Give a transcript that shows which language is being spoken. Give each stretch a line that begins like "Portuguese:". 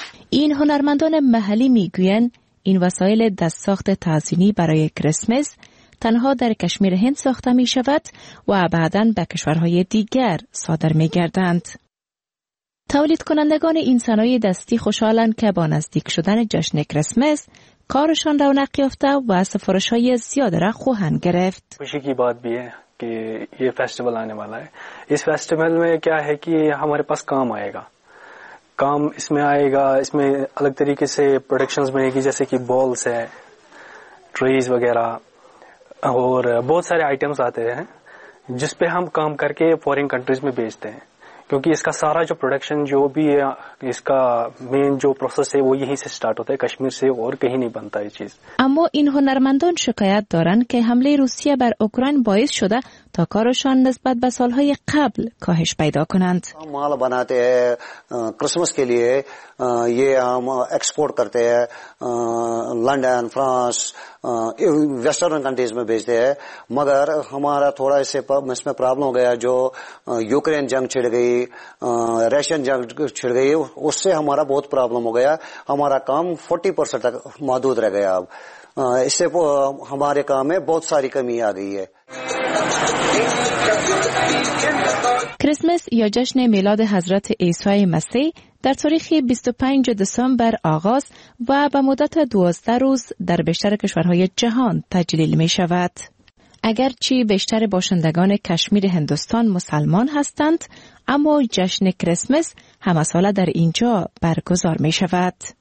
Persian: این هنرمندان محلی می‌گویند این وسایل دست ساخت تزیینی برای کریسمس تنها در کشمیر هند ساخته می شود و بعداً به کشورهای دیگر صادر می گردند. تولید کنندگان این صنایع دستی خوشحالند که با نزدیک شدن جشن کریسمس کارشان رونق یافته و سفارش های زیاد را خواهند گرفت.
Urdu: خوشی کی بات بیه که یه فستیوال آنے والا ہے. اس فستیوال میں کیا ہے کہ ہمارے پاس کام آئے گا. کام اس میں آئے گا, اس میں الگ طریقے سے پروڈکشنز بنے گی, جیسے کہ بالز ہے, ٹریز وغیرہ, اور بہت سارے آئٹمس آتے ہیں جس پہ ہم کام کر کے فورین کنٹریز میں بیچتے ہیں, کیونکہ اس کا سارا جو پروڈکشن جو بھی ہے, اس کا مین جو پروسیس ہے وہ یہیں سے سٹارٹ ہوتا ہے, کشمیر سے اور کہیں نہیں بنتا یہ چیز.
Persian: اما ان ہنرمندان شکایت دارن کہ حملے روسیہ بر اوکراین باعث شدہ تا کارشان نسبت به سالهای قبل کاهش پیدا کنند.
Urdu: ہم مال بناتے ہیں کرسمس کے لیے, یہ ہم ایکسپورٹ کرتے ہیں لندن, فرانس, ویسٹرن کنٹریز میں بھیجتے ہیں, مگر ہمارا تھوڑا اس میں پرابلم ہو گیا جو یوکرین جنگ چھڑ گئی, ریشن جنگ چھڑ گئی, اس سے ہمارا بہت پرابلم ہو گیا. ہمارا کام 40% تک محدود رہ گیا. اب اس سے ہمارے کام میں بہت ساری کمی آ گئی ہے.
Persian: کریسمس یا جشن میلاد حضرت عیسی مسیح در تاریخ 25 دسامبر آغاز و به مدت 12 روز در بیشتر کشورهای جهان تجلیل می شود. اگرچه بیشتر باشندگان کشمیر هندوستان مسلمان هستند, اما جشن کریسمس همه ساله در اینجا برگزار می شود.